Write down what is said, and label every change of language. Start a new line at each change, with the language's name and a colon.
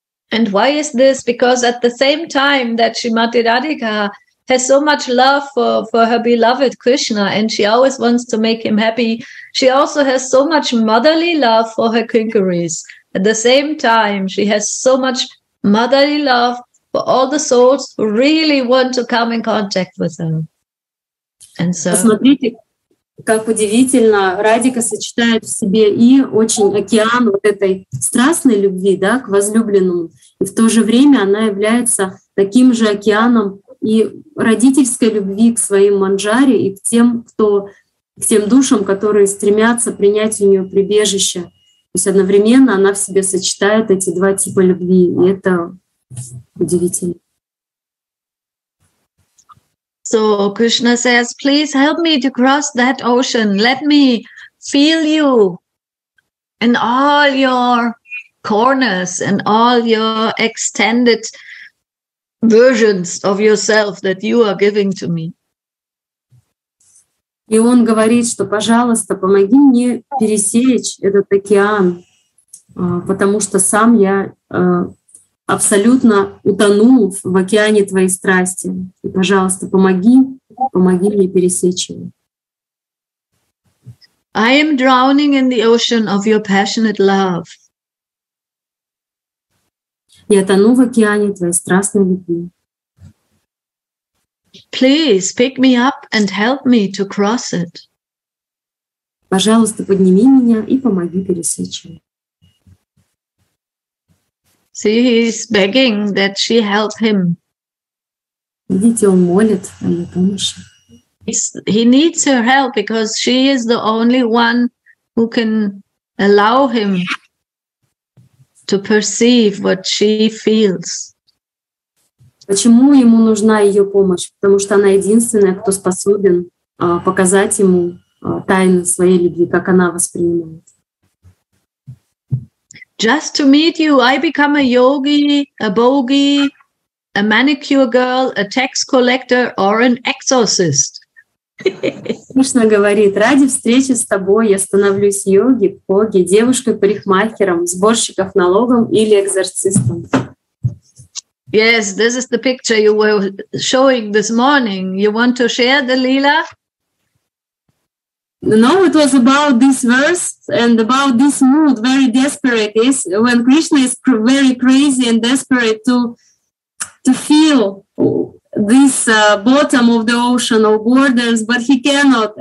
English: And why is this? Because at the same time that Srimati Radhika has so much love for her beloved Krishna, and she always wants to make him happy. She also has so much motherly love for her kinkaris. At the same time, she has so much motherly love for all the souls who really want to come in contact with her. And so,
Russian: посмотрите, как удивительно, Радика сочетает в себе и очень океан вот этой страстной любви, да, к возлюбленному, и в то же время она является таким же океаном и родительской любви к своим манджари и к тем душам, которые стремятся принять у нее прибежище. То есть одновременно она в себе сочетает эти два типа любви, и это удивительно.
English: So Krishna says, please help me to cross that ocean. Let me feel you in all your corners and all your extended versions of yourself that you are giving to me.
Russian: И он говорит, что, пожалуйста, помоги мне пересечь этот океан, потому что сам я абсолютно утонул в океане твоей страсти. И, пожалуйста, помоги мне пересечь его.
English: I am drowning in the ocean of your passionate love.
Russian: Я тону в океане твоей страстной любви.
English: Please pick me up and help me to cross it.
Russian: Пожалуйста, подними меня и помоги пересечь его.
English: See, he is begging that she help him.
Russian: Видите, он молит о ее помощи.
English: He needs her help because she is the only one who can allow him to perceive what she feels.
Russian: Почему ему нужна ее помощь? Потому что она единственная, кто способен показать ему тайны своей любви, как она воспринимает.
English: Just to meet you, I become a yogi, a bogey, a manicure girl, a tax collector, or an exorcist.
Russian: Кришна говорит, ради встречи с тобой я становлюсь йоги, боги, девушкой-парикмахером, сборщиком налогов или экзорцистом.
English: Yes, this is the picture you were showing this morning. You want to share the Leela? No, it was about this verse and about this mood, very desperate, is when Krishna is very crazy and desperate to feel this bottom of the ocean or borders, but he cannot.